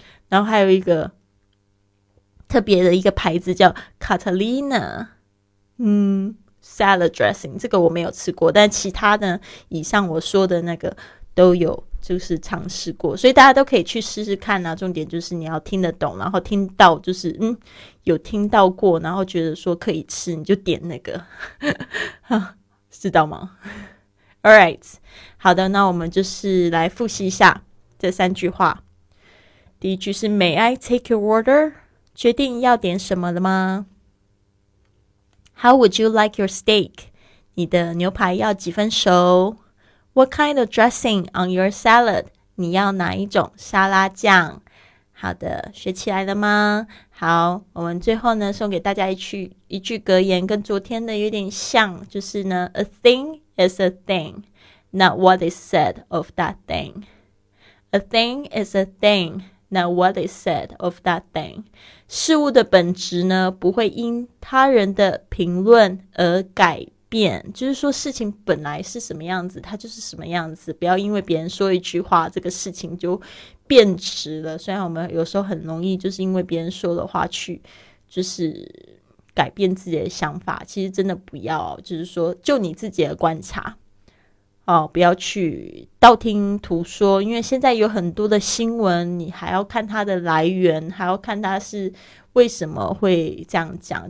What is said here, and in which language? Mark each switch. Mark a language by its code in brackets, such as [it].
[zh] 然后还有一个特别的一个牌子叫 Catalina Salad Dressing， 这个我没有吃过，但其他的以上我说的那个都有就是尝试过，所以大家都可以去试试看啊。重点就是你要听得懂，然后听到就是有听到过，然后觉得说可以吃，你就点那个。知道吗？ Alright， 好的，那我们就是来复习一下这三句话。第一句是 [en] May I take your order？ [zh] 决定要点什么了吗 [en] ？How would you like your steak？ [zh] 你的牛排要几分熟 [en] ？What kind of dressing on your salad？ [zh] 你要哪一种沙拉酱？好的，学起来了吗？好，我们最后呢，送给大家一句格言，跟昨天的有点像，就是呢 ， [en] A thing。 Is a thing, not what is said of that thing. A thing is a thing, not what is said of that thing. [zh] 事物的本质呢，不会因他人的评论而改变。就是说，事情本来是什么样子，它就是什么样子。不要因为别人说一句话，这个事情就变质了。虽然我们有时候很容易，就是因为别人说的话去，就是改变自己的想法，其实真的不要，就是说就你自己的观察哦，不要去道听途说，因为现在有很多的新闻，你还要看它的来源，还要看它是为什么会这样讲。